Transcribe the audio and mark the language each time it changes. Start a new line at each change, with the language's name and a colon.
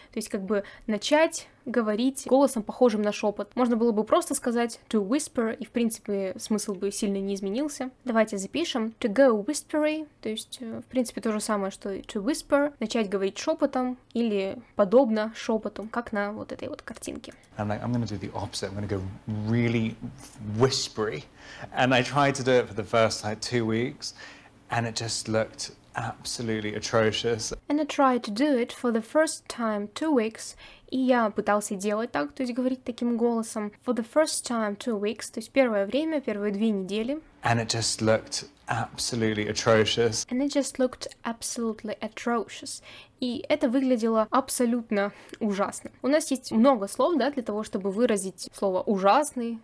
Russian: То есть как бы начать говорить голосом, похожим на шепот. Можно было бы просто сказать
English: to whisper,
Russian: и, в принципе, смысл бы сильно не изменился. Давайте запишем.
English: To go whispery.
Russian: То есть, в принципе, то же самое, что и
English: to whisper.
Russian: Начать говорить шепотом или подобно шепоту, как на вот этой вот картинке.
English: I'm like, I'm gonna do the opposite. I'm gonna go really whispery. And I tried to do it for the first, like, 2 weeks, and it just looked absolutely atrocious. And I tried to do it for the first time 2 weeks.
Russian: И я пытался делать так, то есть говорить таким голосом.
English: For the first time 2 weeks,
Russian: то есть первое время, первые 2 недели.
English: And it just looked absolutely atrocious. And it just looked absolutely atrocious.
Russian: И это выглядело абсолютно ужасно. У нас есть много слов, да, для того, чтобы выразить слово ужасный.